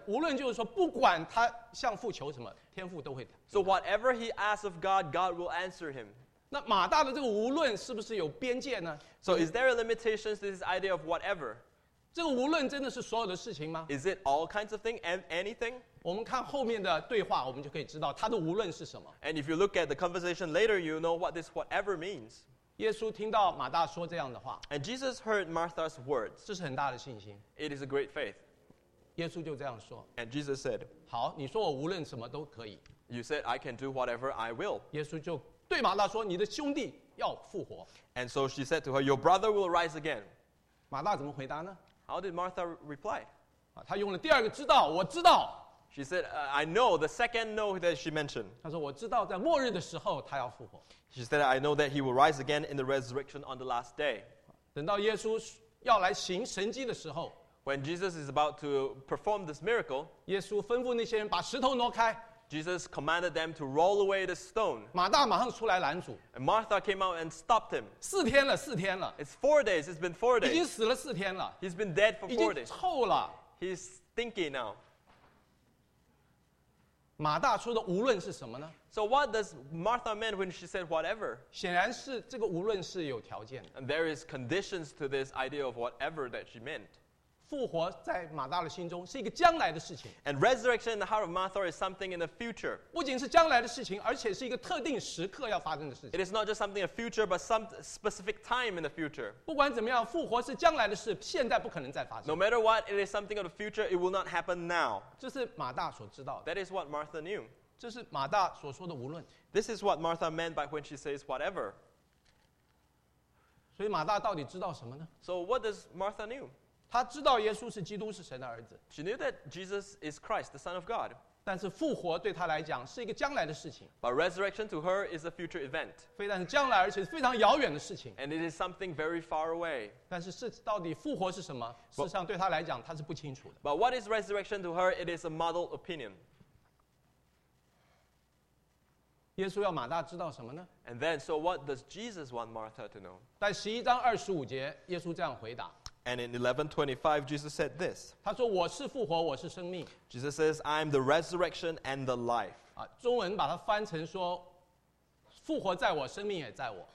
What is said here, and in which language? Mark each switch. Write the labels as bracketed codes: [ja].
[zh] 无论就是说，不管他向父求什么，天父都会。 [en] So whatever he asks of God, God will answer him. [zh] 那马大的这个无论是不是有边界呢 [en] ？So is there a limitation to this idea of whatever? [zh] 这个无论真的是所有的事情吗 [en] ？Is it all kinds of things and anything? [zh] 我们看后面的对话，我们就可以知道他的无论是什么。 [en] And if you look at the conversation later, you know what this whatever means. [zh] 耶稣听到马大说这样的话 [en] And Jesus heard Martha's words [zh] 这是很大的信心 [en] It is a great faith [zh] 耶稣就这样说 [en] And Jesus said [zh] 好你说我无论什么都可以 [en] You said I can do whatever I will [zh] 耶稣就对马大说你的兄弟要复活 [en] And so she said to her Your brother will rise again [zh] 马大怎么回答呢 [en] How did Martha reply [zh] 他用了第二个知道我知道 [en] She said I know the second know that she mentioned [zh] 他说我知道在末日的时候他要复活 [en] She said, I know that he will rise again in the resurrection on the last day. [zh] 等到耶稣要来行神迹的时候 [en] When Jesus is about to perform this miracle, [zh] 耶稣吩咐那些人把石头挪开 [en] Jesus commanded them to roll away the stone. [zh] 马大马上出来拦阻 [en] And Martha came out and stopped him. [zh] 四天了 [en] It's 4 days, it's been 4 days. [zh] 已经死了四天了 [en] He's been dead for 4 days. [zh] 已经臭了 [en] He's stinky now. [zh] 马大说的无论是什么呢 [en] So what does Martha mean when she said whatever? [zh] 显然是这个无论是有条件的 [en] And there is conditions to this idea of whatever that she meant. [zh] 复活在马大的心中是一个将来的事情。 [en] And resurrection in the heart of Martha is something in the future. [zh] 不仅是将来的事情，而且是一个特定时刻要发生的事情。 [en] It is not just something in the future, but some specific time in the future. [zh] 不管怎么样，复活是将来的事，现在不可能再发生。 [en] No matter what, it is something of the future. It will not happen now. [zh] 这是马大所知道的。 [en] That is what Martha knew. [zh] 这是马大所说的无论。 [en] This is what Martha meant by when she says whatever. [zh] 所以马大到底知道什么呢？ [en] So what does Martha knew? [zh] 他知道耶稣是基督，是神的儿子。 [en] She knew that Jesus is Christ, the Son of God. [zh] 但是复活对他来讲是一个将来的事情。 [en] But resurrection to her is a future event. [zh] 非但是将来，而且是非常遥远的事情。 [en] And it is something very far away. [zh] 但是到底复活是什么？事实上，对他来讲，他是不清楚的。 [en] But what is resurrection to her? It is a muddled opinion. [zh] 耶稣要马大知道什么呢？ [en] And then, so what does Jesus want Martha to know? [zh] 在十一章二十五节，耶稣这样回答。 [en] And in 11:25, Jesus said this. [zh] 他说我是复活，我是生命。 [en] Jesus says, I am the resurrection and the life. [zh] 中文把它翻成说，复活在我，生命也在我。